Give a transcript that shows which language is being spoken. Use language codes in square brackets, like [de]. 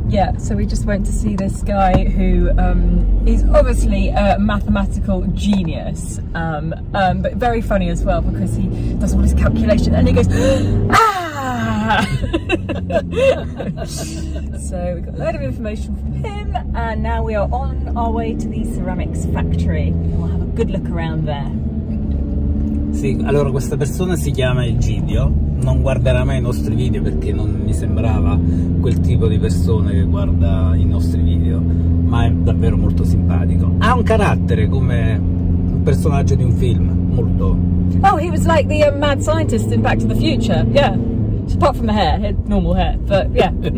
[en] Yeah, so we just went to see this guy who is obviously a mathematical genius, but very funny as well because he does all his calculation and he goes, ah! So we got a load of information from him and now we are on our way to the ceramics factory. We'll have a good look around there. [it] Sì, allora questa persona si chiama Egidio, non guarderà mai i nostri video perché non mi sembrava quel tipo di persona che guarda i nostri video, ma è davvero molto simpatico. Ha un carattere come un personaggio di un film, molto. [en] Oh, he was like the mad scientist in Back to the Future, yeah. Apart from the hair, normal hair, but yeah.